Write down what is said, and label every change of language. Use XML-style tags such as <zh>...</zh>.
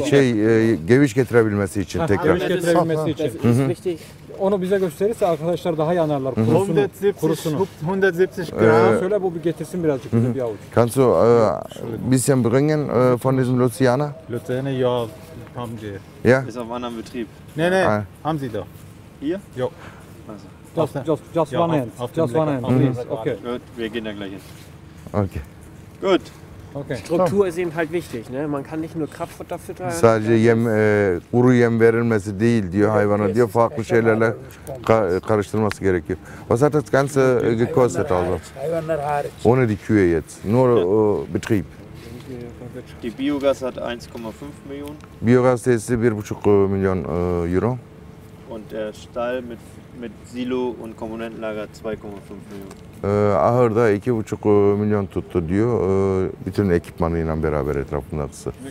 <tr>şey geviş getirebilmesi için tekrar. Geviş getirebilmesi için.</tr> <de>Richtig.</de> <tr>Onu bize gösterirse arkadaşlar daha iyi anlarlar. Kurusunu. 170 gram. Söyle bu getirsin birazcık bize bir avuç.</tr> <de>Kannst du ein bisschen bringen von diesem Lucerne? Lucerne, ja, haben wir. Ja. Ist auf anderem Betrieb. Nee, nee, haben Sie doch. Hier?</de> <en>Jo. Just one hand. Just one hand, please. Okay.</en> <de>Gut, wir gehen dann gleich hin. Okay. Gut. Okay. Struktur ist eben halt wichtig, ne? Man kann nicht nur Kraftfutter füttern.</de> <tr>Sadece yem, kuru yem verilmesi değil diyor hayvana diyor. Farklı şeylerle karıştırması gerekiyor.</tr> <de>Was hat das Ganze gekostet also?</de> <tr>Hayvanlar hariç.</tr> <de>Ohne die Kühe jetzt. Nur Betrieb. Die Biogas hat 1,5 Millionen. Biogas ist 1,5 Millionen Euro. Und der Stall mit Silo und Komponentenlager 2,5 Millionen.</de> <tr>Ahırda 2,5 milyon tuttu diyor. Bütün ekipmanıyla beraber etrafındakisi.</tr>